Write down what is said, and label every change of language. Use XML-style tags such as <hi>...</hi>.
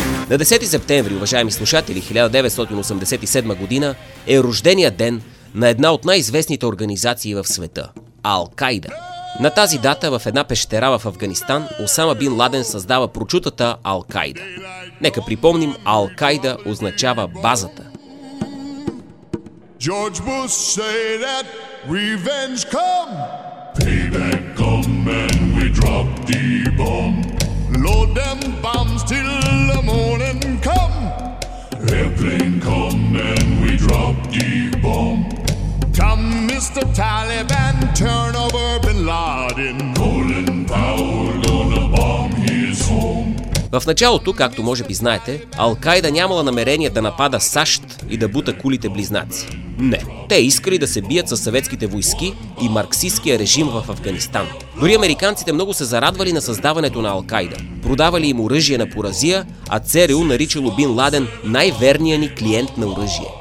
<bg>На 10 септември, уважаеми слушатели, 1987 година е рождения ден на една от най-известните организации в света – Ал-Кайда. На тази дата в една пещера в Афганистан Осама бин Ладен създава прочутата Ал-Кайда. Нека припомним, Ал-Кайда означава базата.</bg> <en>George Bush say that revenge come. Payback come and we drop the bomb. Load them bombs till the morning come. Airplane come and we drop the bomb. Come Mr. Taliban, turn over Bin Laden. Colin Powell gonna bomb his home.</en> <bg>В началото, както може би знаете, Ал-Кайда нямала намерение да напада САЩ и да бута кулите близнаци. Не, те искали да се бият със съветските войски и марксистския режим в Афганистан. Дори американците много се зарадвали на създаването на Ал-Кайда, продавали им оръжие на поразия, а ЦРУ наричало Бин Ладен най-верния ни клиент на оръжие.</bg>